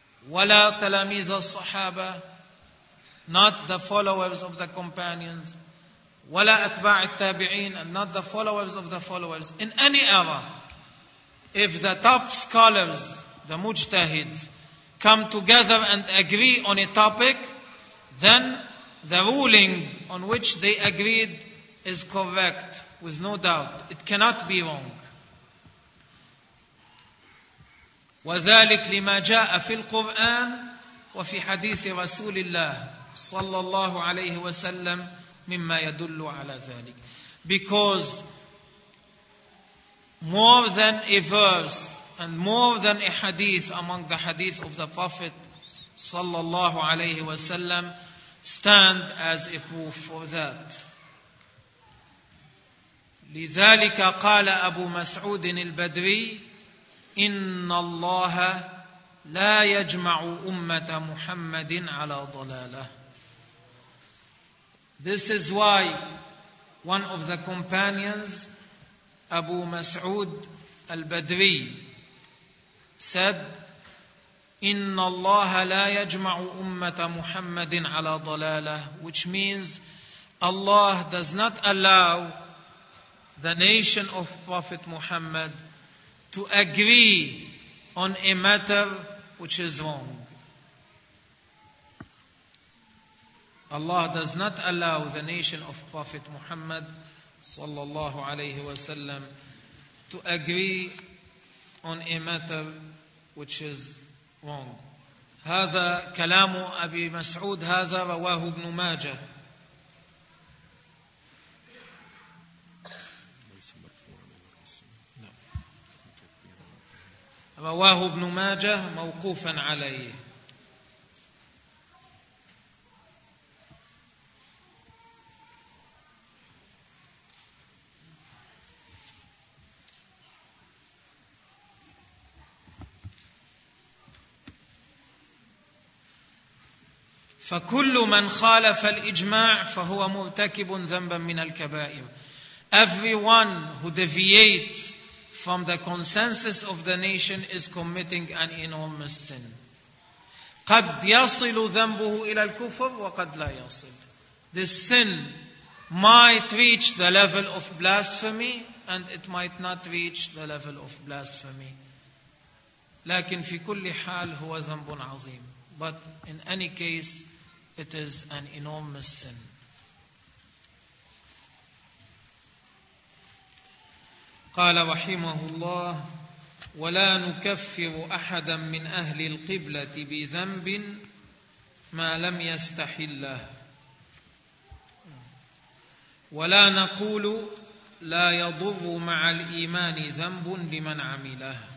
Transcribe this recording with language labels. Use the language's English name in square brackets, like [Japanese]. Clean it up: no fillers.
[Arabic] ولا تلاميذ الصحابة، [English] not the followers of the companions، [Arabic] ولا أتباع التابعين، [English] and not the followers of the followers، in any era، if the top scholars، the mujtahids، come together and agree on a topic، then the ruling on which they agreed is correct, with no doubt. It cannot be wrong. [Arabic] وذلك لما جاء في القرآن وفي حديث رسول الله صلى الله عليه وسلم مما يدل على ذلك. [English] Because more than a verse and more than a hadith among the hadith of the Prophet sallallahu alayhi wa sallam stand as a proof for that. [Arabic] لذلك قال أبو مسعود البدري إن الله لا يجمع أمة محمد على ضلالة. [English] This is why one of the companions, Abu Mas'ud al-Badri, said, [Arabic] إِنَّ اللَّهَ لَا يَجْمَعُ أُمَّةَ مُحَمَّدٍ عَلَى ضَلَالَهِ, [English] which means Allah does not allow the nation of Prophet Muhammad to agree on a matter which is wrong. Allah does not allow the nation of Prophet Muhammad sallallahu alayhi wa sallam to agree on a matter which is wrong. [Arabic] هذا كلام أبي مسعود هذا رواه ابن ماجه. رواه ابن ماجه موقوفا عليه. فكل من خالف الإجماع فهو مرتكب ذنبا من الكبائر. [English] Everyone who deviates from the consensus of the nation is committing an enormous sin. [Arabic] قد يصل ذنبه إلى الكفر وقد لا يصل. [English] This sin might reach the level of blasphemy and it might not reach the level of blasphemy. [Arabic] لكن في كل حال هو ذنب عظيم. [English] But in any case, it is an enormous sin. [Arabic] قال رحمه الله ولا نكفر أحدا من أهل القبلة بذنب ما لم يستحله ولا نقول لا يضر مع الإيمان ذنب لمن عمله.